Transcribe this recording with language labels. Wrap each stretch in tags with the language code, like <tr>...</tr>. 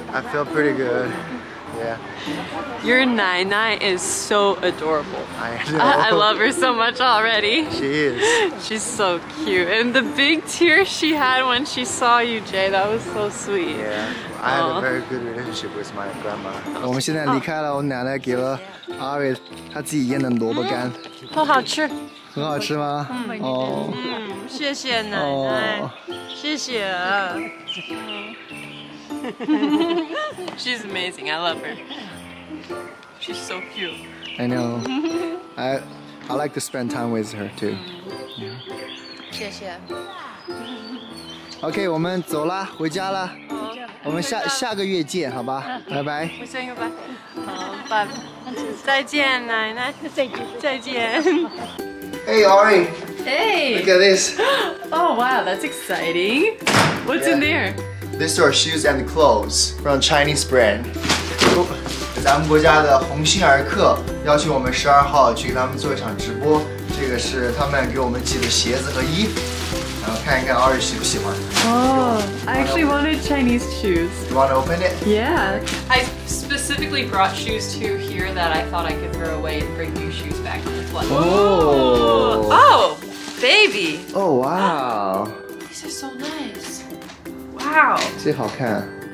<en>I feel pretty good. Yeah. Your nai-nai is so adorable. I know. I love her so much already. She is. She's so cute. And the big tear she had when she saw you, Jay, that was so sweet. Yeah. I had a very good relationship with my grandma.</en> <zh>我们现在离开了，我奶奶给了阿伟他自己腌的萝卜干。很好吃。很好吃吗？哦。谢谢奶奶。谢谢。</zh> <en>She's amazing. I love her. She's so cute. I know. I like to spend time with her too. Yeah. Thank you. Okay,</en> <zh>我们走啦，回家啦。我们下个月见，好吧？拜拜。我先说拜。好，拜拜。再见，奶奶。再见。再见。</zh> <en>Hey, Ari. Hey. Look at this. Oh wow, that's exciting. What's in there? These are shoes and clothes from Chinese brand.</en> <zh>咱们国家的鸿星尔克邀请我们十二号去给他们做一场直播。这个是他们给我们寄的鞋子和衣服，然后看一看 Ari 喜不喜欢。</zh> <en>Oh, I actually wanted Chinese shoes. You want to open it? Yeah. I specifically brought shoes to here that I thought I could throw away and bring new shoes back to the flight. Oh. Oh, baby. Oh, wow. These are so nice. Wow.</en> <zh>最好看，</zh>